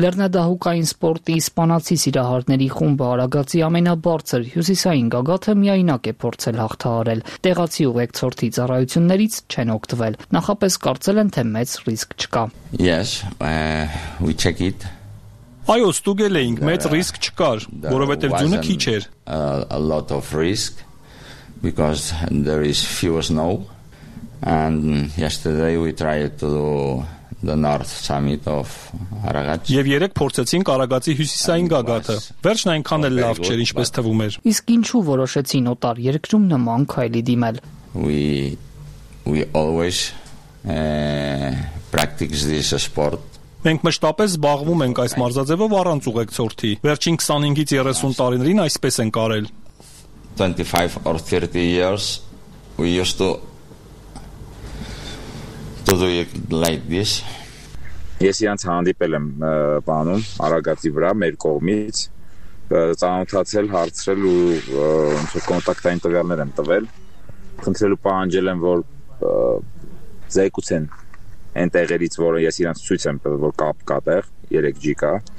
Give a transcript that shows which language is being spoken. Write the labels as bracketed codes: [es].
[hy] Լեռնադահուկային սպորտի իսպանացի սիրահարների խումբը Արագածի ամենաբարձր հյուսիսային գագաթը միայնակ է փորձել հաղթահարել։ Տեղացի ուղեկցորդի ծառայություններից չեն օգտվել։ Նախապես կարծել են, թե մեծ ռիսկ չկա։ [en] Yes, we check it. [hy] Այո, ստուգել էինք, մեծ ռիսկ չկար, որովհետև ձյունը քիչ էր։ [en] A lot of risk because there is fewer snow. And yesterday we tried to do the north summit of Aragats. [hy] Եվ երեք փորձեցինք Արագածի հյուսիսային գագաթը։ Վերջն այնքան էլ լավ չէր, ինչպես թվում էր։ Իսկ ինչու որոշեցին օտար երկրում նման քայլի դիմել։ [en] We always practice this sport. [hy] Մենք մշտապես զբաղվում ենք այս մարզաձևով առանց ուղեկցորդի։ Վերջին 25-ից 30 տարիներին այսպես ենք արել։ [en] 25 or 30 years we used to do it like this. [hy] Ես իրանց հանդիպել եմ բանում Արագածի վրա մեր կողմից, ծանոթացել, հարցրել ու ոնց որ կոնտակտային տվյալներ եմ տվել, խնդրելու պահանջել եմ, որ զեկուցեն այն տեղերից, որը ես իրանց ցույց եմ տվել, որ կապ կա տեղ, 3G կա,